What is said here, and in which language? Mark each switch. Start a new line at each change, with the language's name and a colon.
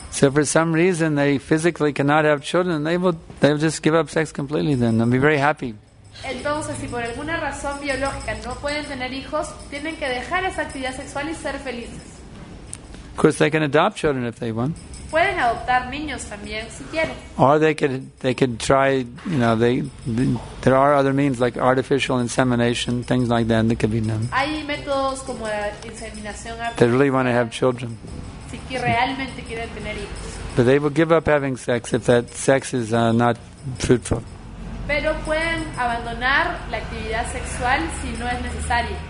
English: So for some reason they physically cannot have children, they will just give up sex completely then and be very happy.
Spanish: Entonces, si por alguna razón biológica no pueden tener hijos, tienen que dejar esa actividad sexual y ser felices.
English: Of course, they can adopt children if they want.
Spanish: Pueden adoptar niños también si quieren.
English: Or they could try, you know, there are other means like artificial insemination, things like that that could be done.
Spanish: Hay métodos como la inseminación artificial.
English: They really want to have children.
Spanish: Si realmente quieren tener hijos.
English: But they will give up having sex if that sex is not fruitful.
Spanish: Pero pueden abandonar la actividad sexual si no es necesaria.